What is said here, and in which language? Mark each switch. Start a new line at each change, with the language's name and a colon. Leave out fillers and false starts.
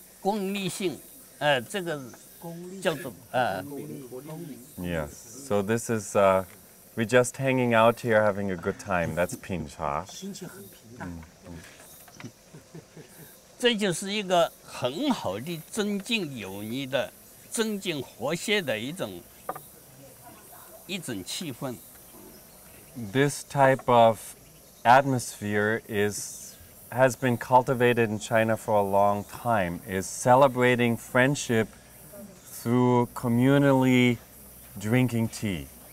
English: Yes, so this is, we're just hanging out here having a good time, that's 品茶.
Chinese: 心情很平淡。这就是一个很好的增进友谊的、增进和谐的一种气氛。
English: This type of atmosphere has been cultivated in China for a long time, is celebrating friendship through communally drinking tea.